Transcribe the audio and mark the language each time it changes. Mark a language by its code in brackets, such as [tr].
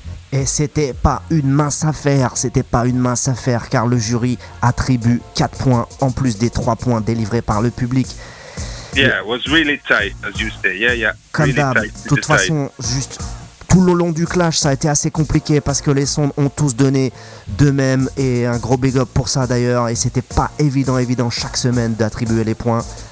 [fr] Et c'était pas une mince affaire, car le jury attribue 4 points en plus des 3 points délivrés par le public. [en] Yeah, it was really tight, as you say. Yeah. [fr] Comme [en] really [fr] d'hab, de toute façon, juste tout le long du clash, ça a été assez compliqué parce que les sondes ont tous donné d'eux-mêmes et un gros big up pour ça d'ailleurs. Et c'était pas évident chaque semaine d'attribuer les points.